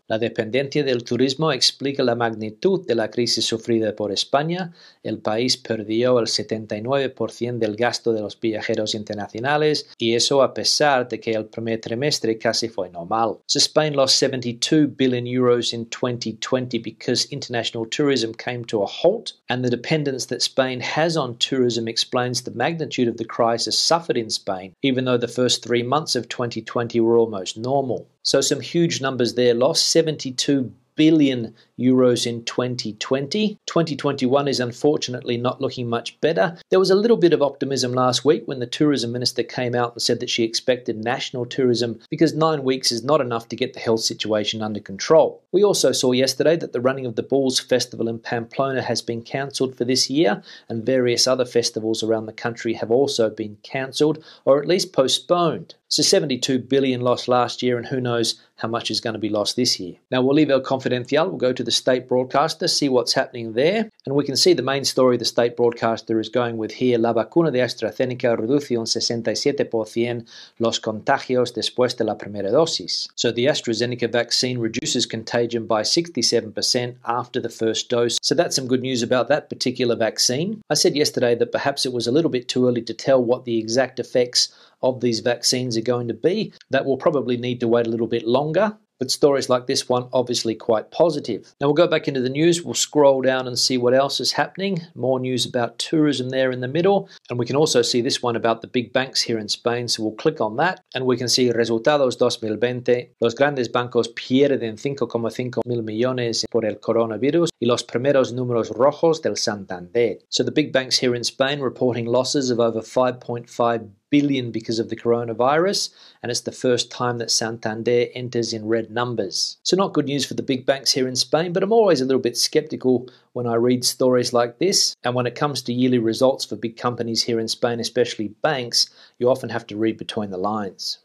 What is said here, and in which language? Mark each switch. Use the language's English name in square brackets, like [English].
[Spanish] La dependencia del turismo explica la magnitud de la crisis sufrida por España. El país perdió el 79% del gasto de los viajeros internacionales, y eso a pesar de que el primer trimestre casi fue normal. [English] So Spain lost 72 billion euros in 2020 because international tourism came to a halt, and the dependence that Spain has on tourism explains the magnitude of the crisis suffered in Spain, even though the first 3 months of 2020 were almost normal. So some huge numbers there lost, 72 billion euros in 2020. 2021 is unfortunately not looking much better. There was a little bit of optimism last week when the tourism minister came out and said that she expected national tourism because 9 weeks is not enough to get the health situation under control. We also saw yesterday that the running of the Balls Festival in Pamplona has been cancelled for this year, and various other festivals around the country have also been cancelled or at least postponed. So 72 billion lost last year, and who knows how much is going to be lost this year. Now we'll leave El Confidencial, we'll go to the state broadcaster, see what's happening there. And we can see the main story the state broadcaster is going with here. [Spanish] La vacuna de AstraZeneca reduce un 67% los contagios después de la primera dosis. [English] So the AstraZeneca vaccine reduces contagion by 67% after the first dose. So that's some good news about that particular vaccine. I said yesterday that perhaps it was a little bit too early to tell what the exact effects of these vaccines are going to be. That will probably need to wait a little bit longer. But stories like this one, obviously quite positive. Now we'll go back into the news, we'll scroll down and see what else is happening. More news about tourism there in the middle. And we can also see this one about the big banks here in Spain, so we'll click on that. And we can see [Spanish] resultados 2020. Los grandes bancos pierden 5,5 mil millones por el coronavirus y los primeros números rojos del Santander. [English] So the big banks here in Spain reporting losses of over 5.5 billion because of the coronavirus, and it's the first time that Santander enters in red numbers. So not good news for the big banks here in Spain, but I'm always a little bit skeptical when I read stories like this. And when it comes to yearly results for big companies here in Spain, especially banks, you often have to read between the lines.